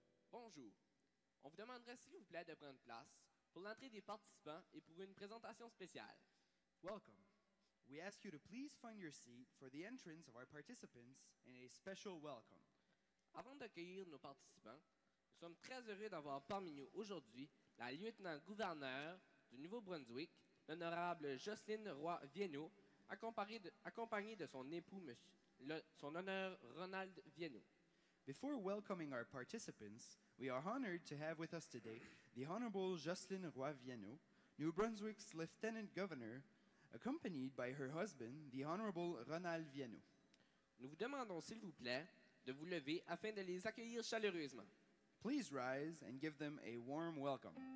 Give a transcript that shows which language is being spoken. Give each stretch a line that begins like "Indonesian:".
French: vous demanderait s'il vous plaît de prendre place pour l'entrée des participants et pour une présentation spéciale.
English: Welcome. We ask you to please find your seat for the entrance of our participants and a special welcome.
French: Avant d'accueillir nos participants, nous sommes très heureux d'avoir parmi nous aujourd'hui la lieutenant-gouverneure du Nouveau-Brunswick, l'honorable Jocelyne Roy-Vienneault, accompagnée de son époux, son honneur Ronald Vienneault.
English: Before welcoming our participants, we are honored to have with us today the Honorable Jocelyne Roy-Vienneault, New Brunswick's Lieutenant Governor, accompanied by her husband, the Honorable Ronald Vienneault.
French: Nous vous demandons, s'il vous plaît, de vous lever afin de les accueillir chaleureusement.
English: Please rise and give them a warm welcome.